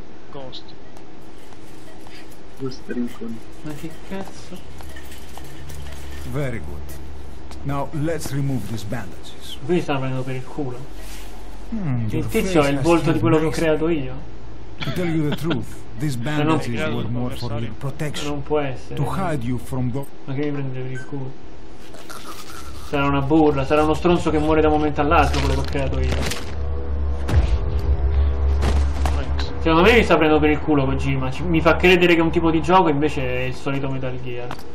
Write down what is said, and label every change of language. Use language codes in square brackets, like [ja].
[en] Ghost. [it] Ma che cazzo? [en] Very good. Now let's remove these bandages. [it] Lui sta prendendo per il culo. Il tizio è il volto di quello che ho creato io. [en] To tell you the truth, these bandages were more for your protection. [it] Non può essere. [en] To hide you from the... [it] Ma che mi prende per il culo? Sarà una burla, sarà uno stronzo che muore da un momento all'altro quello che ho creato io. Secondo me mi sta prendendo per il culo Kojima, mi fa credere che è un tipo di gioco, invece è il solito Metal Gear.